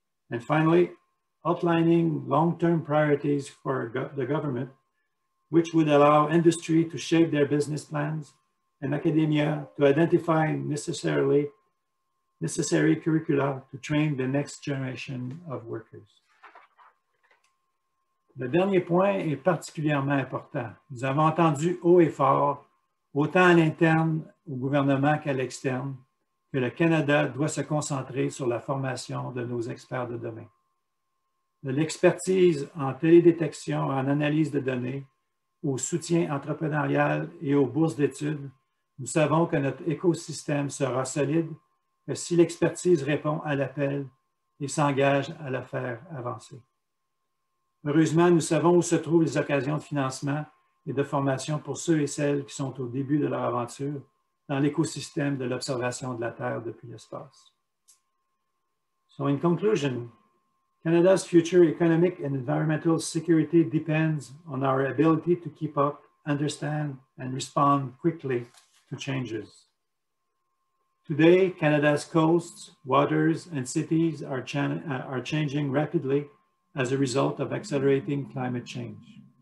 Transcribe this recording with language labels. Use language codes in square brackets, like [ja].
[en] And finally, outlining long-term priorities for the government, which would allow industry to shape their business plans and academia to identify necessary curricula to train the next generation of workers. [fr] Le dernier point est particulièrement important. Nous avons entendu haut et fort, autant à l'interne au gouvernement qu'à l'externe, que le Canada doit se concentrer sur la formation de nos experts de demain. De l'expertise en télédétection, en analyse de données, au soutien entrepreneurial et aux bourses d'études, nous savons que notre écosystème sera solide que si l'expertise répond à l'appel et s'engage à la faire avancer. Heureusement, nous savons où se trouvent les occasions de financement et de formation pour ceux et celles qui sont au début de leur aventure dans l'écosystème de l'observation de la Terre depuis l'espace. [en] So in conclusion, Canada's future economic and environmental security depends on our ability to keep up, understand, and respond quickly to changes. Today, Canada's coasts, waters, and cities are changing rapidly as a result of accelerating climate change.